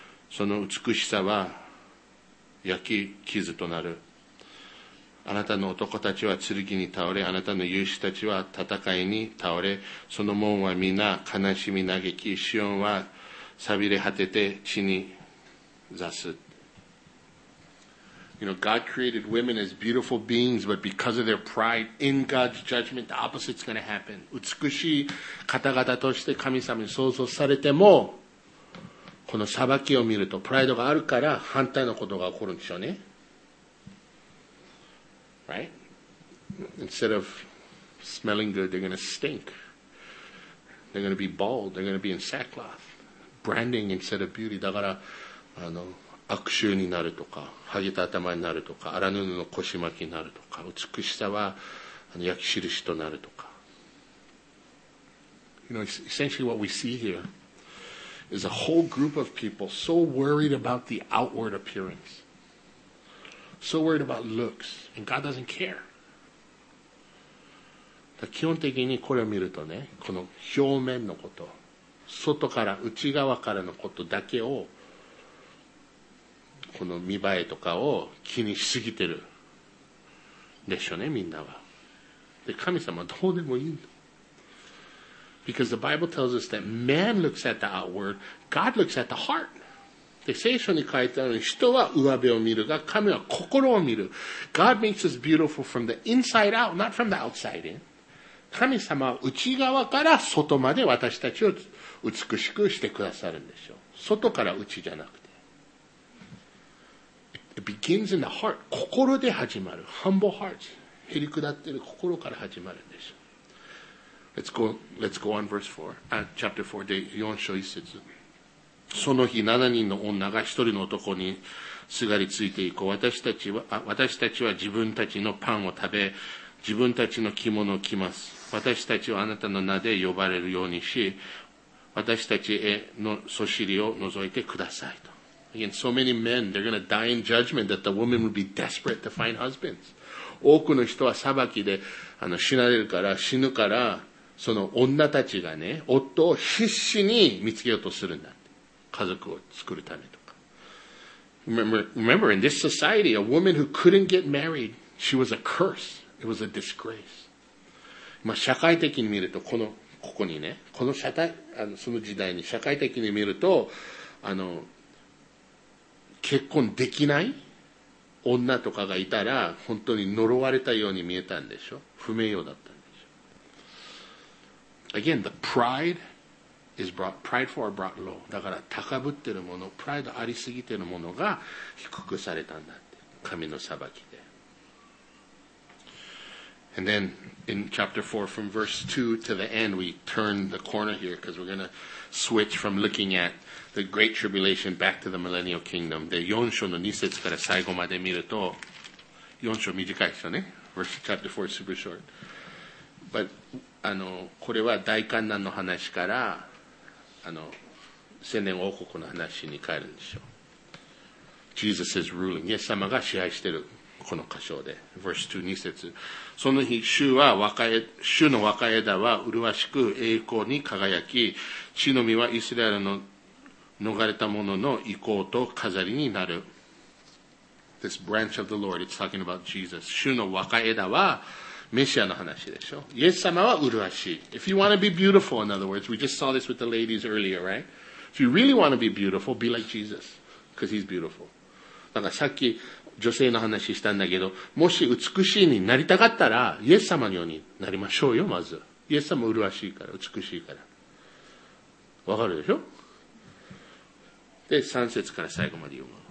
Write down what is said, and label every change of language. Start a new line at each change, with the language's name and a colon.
Japanese: その美しさは焼き傷となる。あなたの男たちは剣に倒れ、あなたの勇士たちは戦いに倒れ、その門は皆悲しみ嘆き、シオンはさびれ果てて地に座す。
English: You know, God created women as beautiful beings, but because of their pride in God's judgment, the opposite's going to happen.
Japanese: 美しい方々として神様に創造されても、この裁きを見るとプライドがあるから反対のことが起こるんでしょうね。
English: Right? Instead of smelling good, they're going to stink. They're going to be bald. They're going to be in sackcloth. Branding instead of beauty.
Japanese: だから、悪臭になるとか、ハゲた頭になるとか、荒布の腰巻きになるとか、美しさは焼き印となるとか。
English: You know, essentially what we see here is a whole group of people so worried about the outward appearance, so worried about looks, and God doesn't care.
Japanese: 基本的にこれを見るとね、この表面のこと、外から内側からのことだけを、この見栄えとかを気にしすぎてるでしょうね、みんなは。で、神様はどうでもいいんだ。
English: Because the Bible tells us that man looks at the outward, God looks at the heart.
Japanese: で、聖書に書いてあるように、人は上辺を見るが、神は心を見る。
English: God makes us beautiful from the inside out, not from the outside in.
Japanese: 神様は内側から外まで私たちを美しくしてくださるんでしょう。外から内じゃなくて。
English: It begins in the heart.
Japanese: 心で始まる。
English: Humble hearts.
Japanese: 減り下ってる心から始まるんでしょう。
English: Let's go on verse 4. Chapter 4, day
Japanese: 4章1節。その日7人の女が1人の男にすがりついていこう。私たちは自分たちのパンを食べ、自分たちの着物を着ます。私たちはあなたの名で呼ばれるようにし、私たちへのそしりを除いてくださいと。
English: Again, so many men, they're going to die in judgment that the woman would be desperate to find husbands.
Japanese: 多くの人は裁きで死なれるから、死ぬから、その女たちがね、夫を必死に見つけようとするんだって。家族を作るためとか。
English: Remember, in this society, a woman who couldn't get married, she was a curse. It was a disgrace.
Japanese: まあ社会的に見るとここにね、この社会その時代に社会的に見ると結婚できない女とかがいたら本当に呪われたように見えたんでしょ、不名誉だったんでしょ。
English: Again, the pride is brought prideful are brought low.
Japanese: だから高ぶってるもの、プライドありすぎてるものが低くされたんだって、神の裁き。
English: And then in chapter 4 from verse 2 to the end, we turn the corner here because we're going to switch from looking at the Great Tribulation back to the Millennial Kingdom.
Japanese: で、 4章の2節から最後まで見ると、4章短いですよね。
English: Verse chapter 4 is super short.
Japanese: But, これは大患難の話から、千年王国の話に変えるんでしょう。
English: Jesus is ruling.
Japanese: イエス様が支配してる。この箇所で
English: verse 2,
Japanese: 2節、その日主の若枝は麗しく栄光に輝き、地の実はイスラエルの逃れた者の遺構と飾りになる。
English: This branch of the Lord, it's talking about Jesus.
Japanese: 主の若枝はメシアの話でしょ。イエス様は麗しい。
English: If you want to be beautiful, in other words, we just saw this with the ladies earlier, right? If you really want to be beautiful, be like Jesus, because he's beautiful.
Japanese: だからさっき女性の話したんだけど、もし美しいになりたかったら、イエス様のようになりましょうよ、まず。イエス様麗しいから、美しいから。わかるでしょ？で、3節から最後まで読む。